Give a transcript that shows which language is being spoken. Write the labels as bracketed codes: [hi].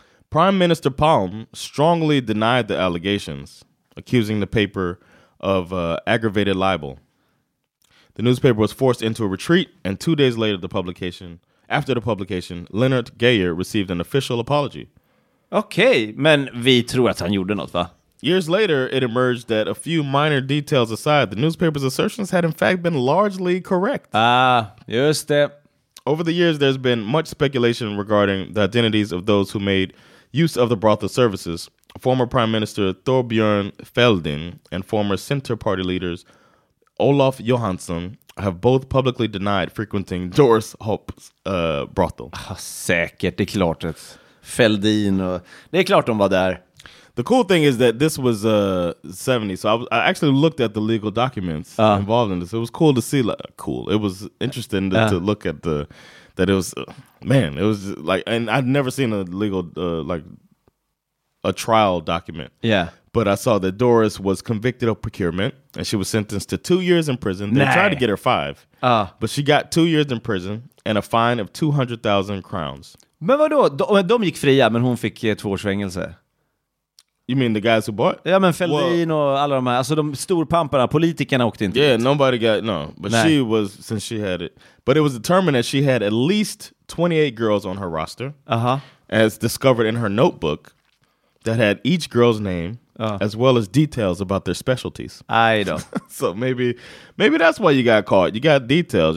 [en] Prime Minister Palm strongly denied the allegations, accusing the paper of aggravated libel. The newspaper was forced into a retreat, and 2 days later, after the publication, Lennart Geyer received an official apology. [sv] Okay, men vi tror att han gjorde något, va? [en] Years later, it emerged that a few minor details aside, the newspaper's assertions had in fact been largely correct. [sv] Ah, just det. [en] Over the years, there's been much speculation regarding the identities of those who made use of the brothel services. Former Prime Minister Thorbjörn Fälldin and former Center Party leaders Olof Johansson have both publicly denied frequenting Doris Hopps brothel. [sv] Säkert, det är klart att Fälldin och det är klart de var där. [en] The cool thing is that this was 70, so I actually looked at the legal documents involved in this. It was cool to see, it was interesting to look at the, that it was, man, it was like, and I'd never seen a legal, a trial document. Yeah. But I saw that Doris was convicted of procurement, and she was sentenced to 2 years in prison. They tried to get her 5, but she got 2 years in prison and a fine of 200,000 crowns. [sv] Men vadå? De gick fria, men hon fick 2 års fängelse. [en] You mean the guys who bought? [sv] Ja, men Fälldin och alla de här. Alltså de storpamparna, politikerna åkte inte. [en] Yeah, nobody got, no. But she was, since she had it. But it was determined that she had at least 28 girls on her roster. Uh-huh. As discovered in her notebook that had each girl's name as well as details about their specialties. I know. So maybe that's why you got caught. You got details.